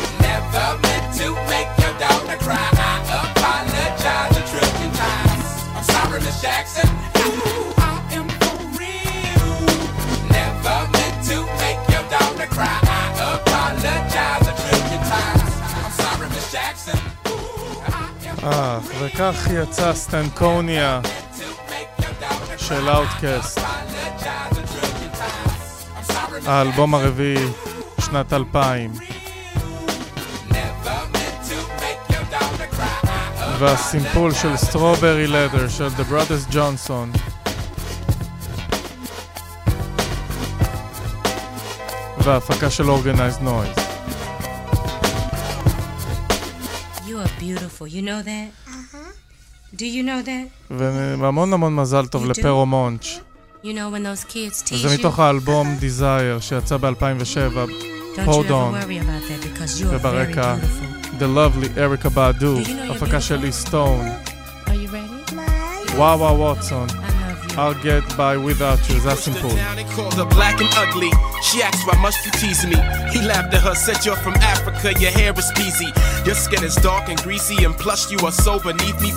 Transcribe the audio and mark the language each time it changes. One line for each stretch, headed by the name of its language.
English: Never meant to make your daughter cry. Miss Jackson, ooh, I am for real. Never meant to make your daughter cry. I apologize a trillion times. I'm sorry, Miss Jackson.
Hebrew: אך וכך יצא סטנקוניה של אאוטקאסט, האלבום הרביעי שנת 2000, והסימפול של סטרוברי לדר של The Brothers Johnson. וההפקה של Organized Noise.
English: You are beautiful, you know that? Do you know that?
Hebrew: והמון המון מזל טוב לפרו מונץ'.
English: You know when those kids teach you?
Hebrew: זה מתוך האלבום Desire שיצא ב-2007.
English: Hold on. וברקע The lovely Erica Badu, you know,
Hebrew: הפקה של לי סטון.
English: Are you ready? וואווה ווטסון. I'll get by without you. That's simple. He called her black and ugly. She asked, why must you tease me? He laughed at her, said, you're from Africa, your hair is peasy. Your skin is dark and greasy, and plus you are so beneath me.